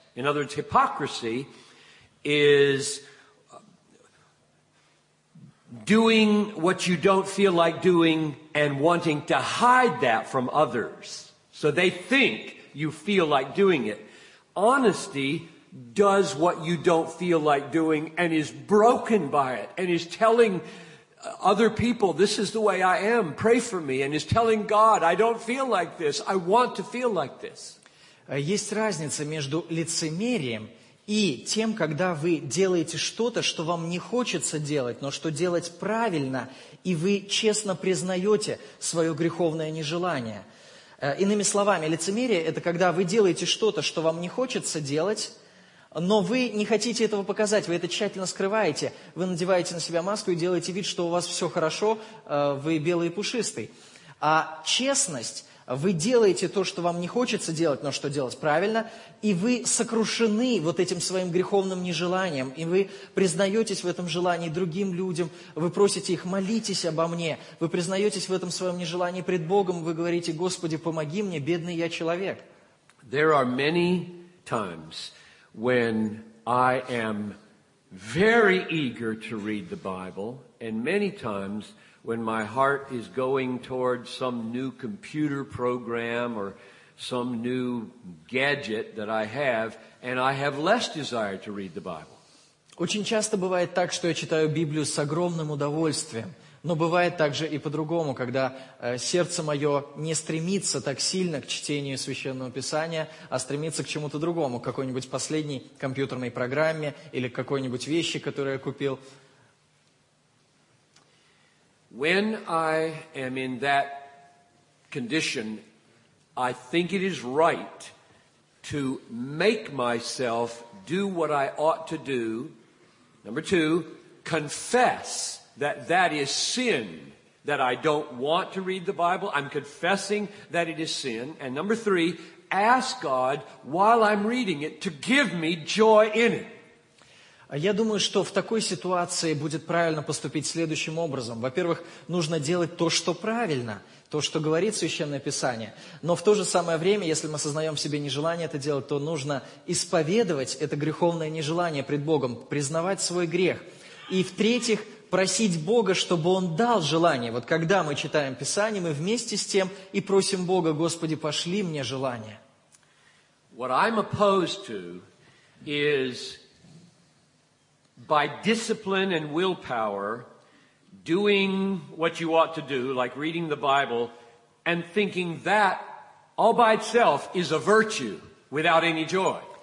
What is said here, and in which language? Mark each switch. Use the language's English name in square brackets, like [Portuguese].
[English] In other words, hypocrisy is doing what you don't feel like doing and wanting to hide that from others so they think you feel like doing it. Honesty does what you don't feel like doing and is broken by it and is telling other people, this is the way I am, pray for me, and is telling God, I don't feel like this, I want to feel like this. [Russian] Есть разница между лицемерием и тем, когда вы делаете что-то, что вам не хочется делать, но что делать правильно, и вы честно признаете свое греховное нежелание. Иными словами, лицемерие – это когда вы делаете что-то, что вам не хочется делать, но вы не хотите этого показать, вы это тщательно скрываете, вы надеваете на себя маску и делаете вид, что у вас все хорошо, вы белый и пушистый. А честность, вы делаете то, что вам не хочется делать, но что делать правильно, и вы сокрушены вот этим своим греховным нежеланием, и вы признаетесь в этом желании другим людям, вы просите их, молитесь обо мне, вы признаетесь в этом своем нежелании пред Богом, вы говорите, Господи, помоги мне, бедный я человек. [English] There are many times when I am very eager to read the Bible, and many times when my heart is going towards some new computer program or some new gadget that I have, and I have less desire to read the Bible. [Russian] Очень часто бывает так, что я читаю Библию с огромным удовольствием. Но бывает также и по-другому, когда сердце мое не стремится так сильно к чтению Священного Писания, а стремится к чему-то другому, к какой-нибудь последней компьютерной программе или к какой-нибудь вещи, которую я купил. [English] When I am in that condition, I think it is right to make myself do what I ought to do. Number two, confess that that is sin, that I don't want to read the Bible. I'm confessing that it is sin. And number three, ask God while I'm reading it to give me joy in it. [Russian] Я думаю, что в такой ситуации будет правильно поступить следующим образом. Во-первых, нужно делать то, что правильно, то, что говорит Священное Писание. Но в то же самое время, если мы осознаем в себе нежелание это делать, то нужно исповедовать это греховное нежелание пред Богом, признавать свой грех. И в-третьих, просить Бога, чтобы Он дал желание. Вот когда мы читаем Писание, мы вместе с тем и просим Бога, Господи, пошли мне желание. [English] What I'm opposed to is by discipline and willpower, doing what you ought to do, like reading the Bible, and thinking that all by itself is a virtue without any joy.